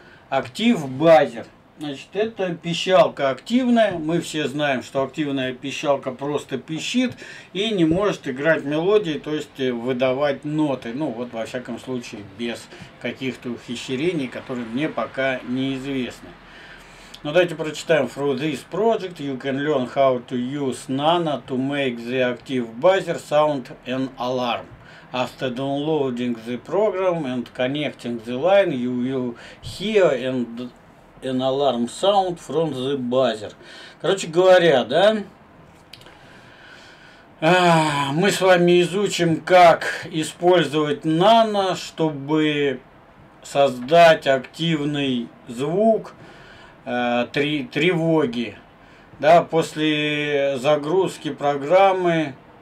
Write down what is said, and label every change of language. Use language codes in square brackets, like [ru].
[ru] Актив базер. Значит, это пищалка активная. Мы все знаем, что активная пищалка просто пищит и не может играть мелодии, то есть выдавать ноты. Ну, вот во всяком случае, без каких-то ухищрений, которые мне пока неизвестны. Ну, давайте прочитаем. [en] Through this project you can learn how to use Nano to make the active buzzer sound an alarm. After downloading the program and connecting the line, you will hear an alarm sound from the buzzer. [ru] Короче говоря, да, мы с вами изучим, как использовать Nano, чтобы создать активный звук тревоги, да, после загрузки программы